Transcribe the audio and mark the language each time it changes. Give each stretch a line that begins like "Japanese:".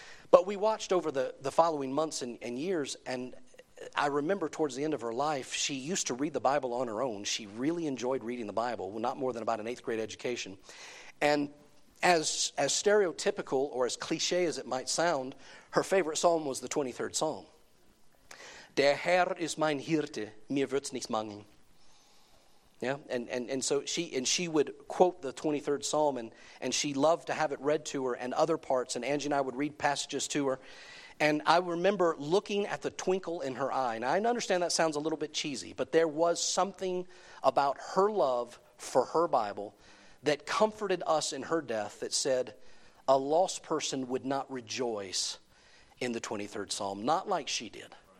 English: But we watched over the following months and years, and I remember towards the end of her life, she used to read the Bible on her own. She really enjoyed reading the Bible, not more than about an eighth grade education. And as stereotypical or as cliche as it might sound, her favorite psalm was the 23rd Psalm.
German: "Der Herr ist mein Hirte, mir wird's nichts mangeln."
English: Yeah, and so she would quote the 23rd Psalm, and she loved to have it read to her and other parts, and Angie and I would read passages to her. And I remember looking at the twinkle in her eye. Now, I understand that sounds a little bit cheesy, but there was something about her love for her Bible that comforted us in her death that said a lost person would not rejoice in the 23rd Psalm, not like she did.